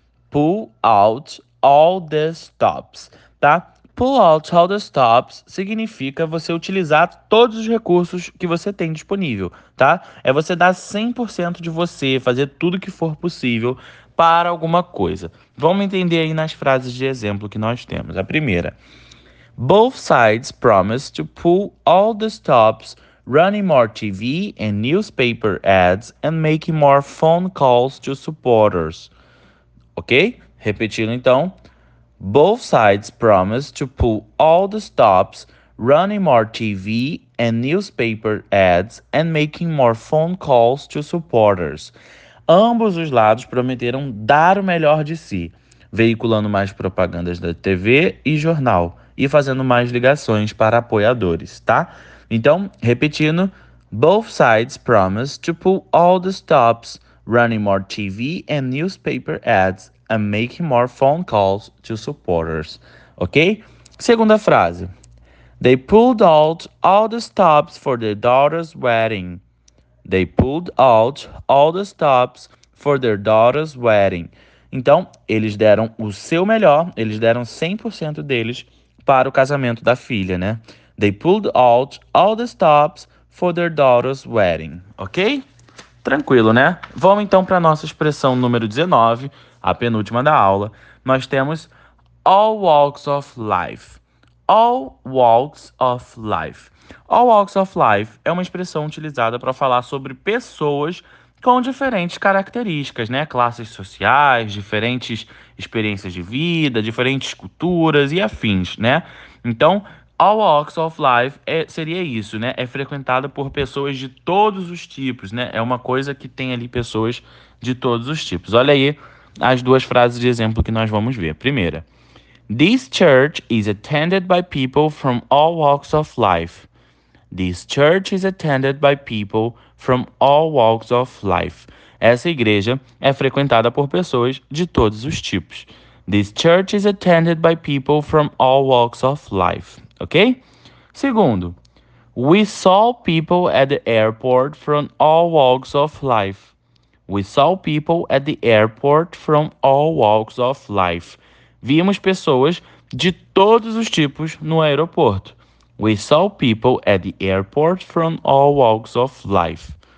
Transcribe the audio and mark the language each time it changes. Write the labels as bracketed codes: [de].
[en] Pull out all the stops, [pt] tá? [en] Pull out all the stops [pt] significa você utilizar todos os recursos que você tem disponível, tá? É você dar 100% de você, fazer tudo que for possível para alguma coisa. Vamos entender aí nas frases de exemplo que nós temos. [en] A primeira: Both sides promised to pull all the stops, running more TV and newspaper ads and making more phone calls to supporters. [pt] Ok? Repetindo então. [en] Both sides promised to pull all the stops, running more TV and newspaper ads and making more phone calls to supporters. [pt] Ambos os lados prometeram dar o melhor de si, veiculando mais propagandas da TV e jornal e fazendo mais ligações para apoiadores, tá? Então, repetindo: [en] Both sides promised to pull all the stops, running more TV and newspaper ads and making more phone calls to supporters. Ok? [pt] Segunda frase: [en] They pulled out all the stops for their daughter's wedding. They pulled out all the stops for their daughter's wedding. [pt] Então, eles deram o seu melhor, eles deram 100% deles para o casamento da filha, né? [en] They pulled out all the stops for their daughter's wedding. [pt] Ok? Tranquilo, né? Vamos então para a nossa expressão número 19, a penúltima da aula. Nós temos [en] all walks of life. All walks of life. All walks of life [pt] é uma expressão utilizada para falar sobre pessoas com diferentes características, né? Classes sociais, diferentes experiências de vida, diferentes culturas e afins, né? Então, [en] all walks of life [pt] seria isso, né? É frequentada por pessoas de todos os tipos, né? É uma coisa que tem ali pessoas de todos os tipos. Olha aí as duas frases de exemplo que nós vamos ver. Primeira: [en] This church is attended by people from all walks of life. This church is attended by people from all walks of life. [pt] Essa igreja é frequentada por pessoas de todos os tipos. [en] This church is attended by people from all walks of life. Ok? [pt] Segundo: [en] We saw people at the airport from all walks of life. We saw people at the airport from all walks of life. [pt] Vimos pessoas de todos os tipos no aeroporto. [en] We saw people at the airport from all walks of life.